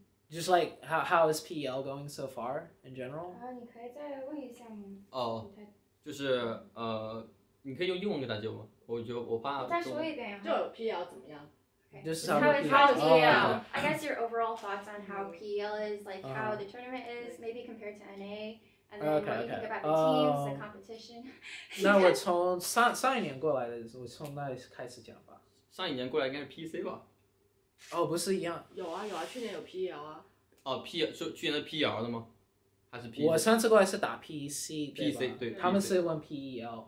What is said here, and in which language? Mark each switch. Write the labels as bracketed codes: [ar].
[en] Just like how is PL going so far in general? [zh] 你可以再问一下吗？就是你可以用英文跟他接吗？我怕再说一遍，就 PL 怎么样？ [en] How is PL? I guess your overall thoughts on how PL is, like how the tournament is, maybe compared to NA, and then what you think about the teams, the competition. [zh] 那我从上一年过来的，我从那开始讲吧。上一年过来应该是 PC 吧？哦，不是一样。有啊，去年有 PL 啊。哦 ，PL 是去年的 PL 的吗？还是 PC？我上次过来是打 PC， 对吧？PC 对，他们是问 PEL，